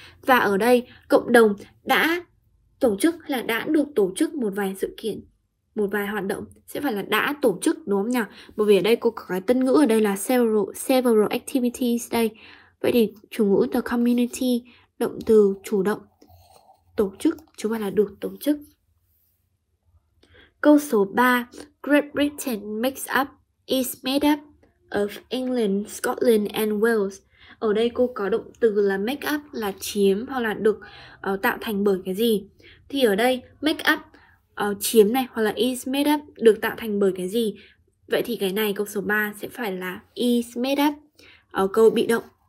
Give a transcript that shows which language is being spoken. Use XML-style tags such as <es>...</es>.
<vi>Và ở đây, cộng đồng đã tổ chức hay là đã được tổ chức một vài sự kiện, một vài hoạt động. Sẽ phải là đã tổ chức, đúng không nhỉ? Bởi vì ở đây cô có cái tân ngữ ở đây là</vi> <en>several activities</en> <vi>đây. Vậy thì chủ ngữ the community, động từ chủ động, tổ chức, chúng ta là được tổ chức. Câu số 3.</vi> <en>Great Britain is made up of England, Scotland and Wales.</en> <vi>Ở đây cô có động từ là make up, là chiếm hoặc là được tạo thành bởi cái gì. Thì ở đây make up, chiếm này, hoặc là</vi> <en>is made up,</en> <vi>được tạo thành bởi cái gì. Vậy thì cái này câu số 3 sẽ phải là</vi> <en>is made up,</en> <vi>câu bị động.</vi>